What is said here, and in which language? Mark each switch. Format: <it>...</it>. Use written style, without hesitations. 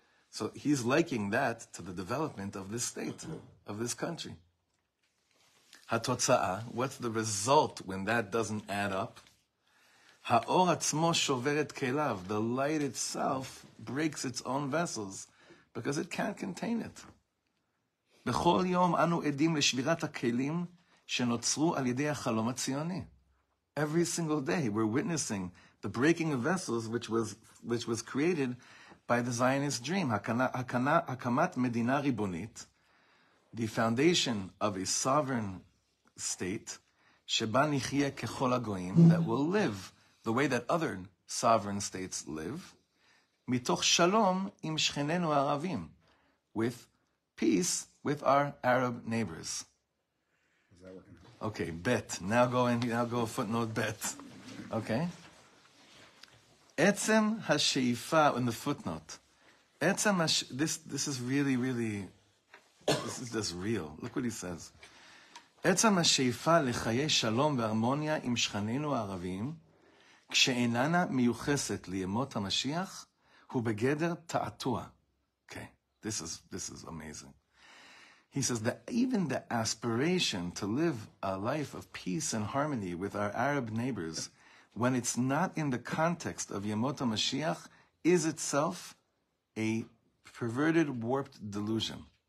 <en>So he's liking that to the development of this state, of this country. Hatotza'a. What's the result when that doesn't add up?</en> <he>Ha'or atzmo shoveret kelav.</he> <en>The light itself breaks its own vessels. Because it can't contain it.</en> <he>בכל יום אנו עדים לשבירת הכלים שנוצרו על ידי החלום הציוני.</he> <en>Every single day we're witnessing the breaking of vessels which was created by the Zionist dream.</en> <he>הקמת מדינה ריבונית,</he> <en>the foundation of a sovereign state</en> <he>שבה נחיה ככל הגויים,</he> <en>that will live the way that other sovereign states live.</en> <he>מתוך שלום עם שכנינו הערבים,</he> <en>with peace with our Arab neighbors. Okay, bet. Now go footnote bet. Okay.</en> <he>עצם השאיפה</he> <en>in the footnote. עצם this is really, really, this is just real. Look what he says.</en> <he>עצם השאיפה לחיי שלום והרמוניה עם שכנינו הערבים, כשאיננה מיוחסת לימות המשיח, who begeder ta'atua.</he> <en>Okay, this is amazing. He says that even the aspiration to live a life of peace and harmony with our Arab neighbors, when it's not in the context of Yemot HaMashiach, is itself a perverted, warped delusion.</en>